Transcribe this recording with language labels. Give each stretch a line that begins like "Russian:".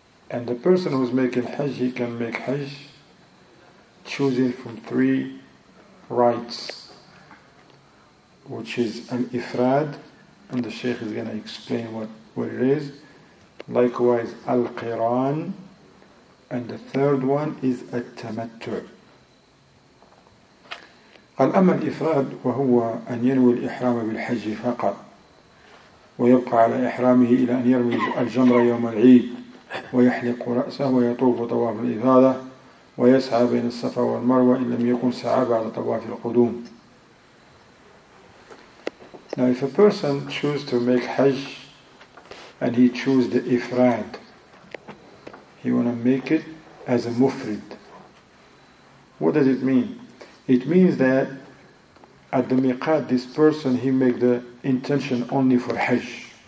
English: And the person who's making Hajj, he can make Hajj choosing from three rites, which is an ifrad, and the Shaykh is going to explain what it is. Likewise, al-qiran, and the third one is al-tamattu.
Arabic: قال أما الإفراد وهو أن ينوي الإحرام بالحج فقط ويبقى على إحرامه إلى أن يرمي الجمرة يوم العيد ويحلق رأسه ويطوف طواف الإفاضة ويسعى بين الصفا والمروة إن لم يكن سعى بعد طواف القدوم.
English: Now if a person chooses to make Hajj and he chooses the ifrad, he want to make it as a mufrid, what does it mean? It means that at the miqat, this person, he make the intention only for Hajj.